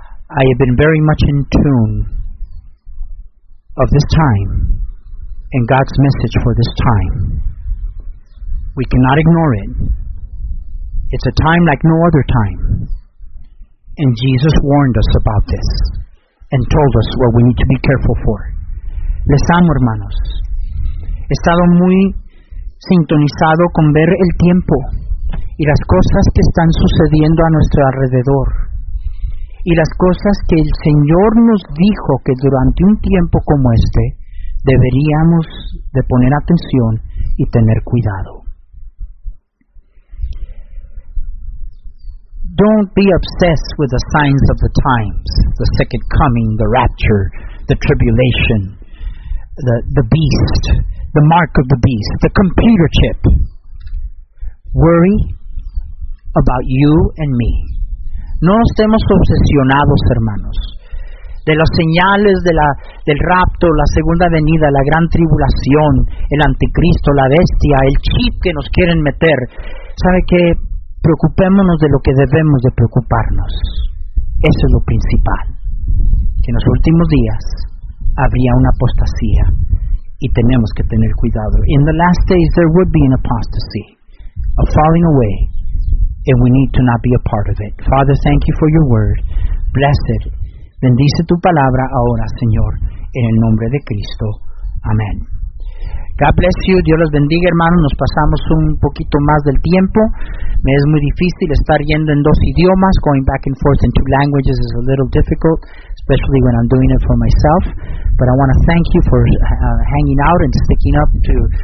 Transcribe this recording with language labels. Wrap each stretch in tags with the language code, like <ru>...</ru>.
<en>I have been very much in tune of this time and God's message for this time. We cannot ignore it. It's a time like no other time. And Jesus warned us about this and told us what we need to be careful for.</en> <es>Les amo, hermanos. He estado muy sintonizado con ver el tiempo y las cosas que están sucediendo a nuestro alrededor. Y las cosas que el Señor nos dijo que durante un tiempo como este deberíamos de poner atención y tener cuidado.</es> <en>Don't be obsessed with the signs of the times, the second coming, the rapture, the tribulation, the beast, the mark of the beast, the computer chip. Worry about you and me.</en> <es>No estemos obsesionados, hermanos, de las señales del rapto, la segunda venida, la gran tribulación, el anticristo, la bestia, el chip que nos quieren meter. ¿Sabe qué? Preocupémonos de lo que debemos de preocuparnos. Eso es lo principal. Que en los últimos días habría una apostasía y tenemos que tener cuidado.</es> <en>In the last days there would be an apostasy, a falling away. And we need to not be a part of it. Father, thank you for your word. Blessed.</en> <es>Bendice tu palabra ahora, Señor, en el nombre de Cristo. Amén.</es> <en>God bless you.</en> <es>Dios los bendiga, hermanos. Nos pasamos un poquito más del tiempo. Me es muy difícil estar yendo en 2 idiomas.</es> <en>Going back and forth in 2 languages is a little difficult, especially when I'm doing it for myself. But I want to thank you for hanging out and sticking up to</en>